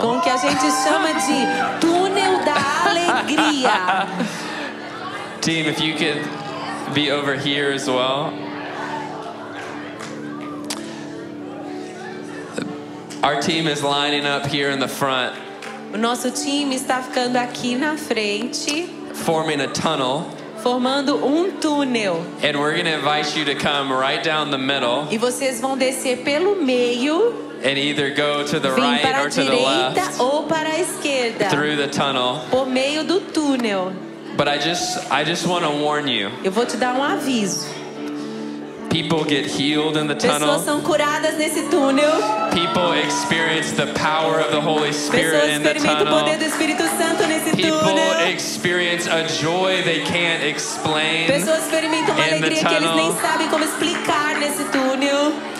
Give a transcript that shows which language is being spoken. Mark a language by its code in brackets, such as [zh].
[pt] Com o que a gente chama de túnel da alegria. [en] Team, if you could be over here as well. Our team is lining up here in the front. [pt] O nosso time está ficando aqui na frente. [en] Forming a tunnel. [pt] Formando túnel. [en] And we're going to invite you to come right down the middle. [pt] E vocês vão descer pelo meio. [en] And either go to the right or to the left. [pt] Ou para a esquerda. [en] Through the tunnel. [pt] Por meio túnel. [en] But I just want to warn you. [pt] Eu vou te dar aviso. [en] People get healed in the tunnel. [pt] Pessoas são curadas nesse túnel. [en] People experience the power of the Holy Spirit in the tunnel. [pt] Pessoas experimentam o poder do Espírito Santo nesse [en] People [pt] túnel. [en] People experience a joy they can't explain. [pt] Pessoas experimentam uma alegria que eles nem sabem como explicar nesse túnel.